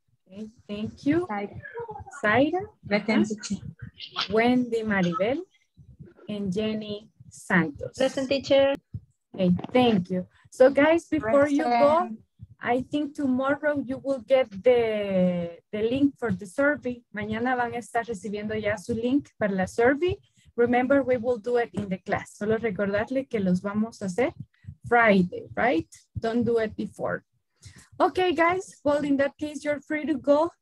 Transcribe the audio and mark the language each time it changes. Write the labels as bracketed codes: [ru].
[en] Okay, thank you. Zaira. Present, teacher. Wendy Maribel. And Jenny Santos. Present, teacher. Okay, thank you. So guys, before present. You go, I think tomorrow you will get the link for the survey. [es] Mañana van a estar recibiendo ya su link para la survey. [en] Remember, we will do it in the class. [es] Solo recordarle que los vamos a hacer Friday, right? [en] Don't do it before. Okay, guys, well, in that case, you're free to go.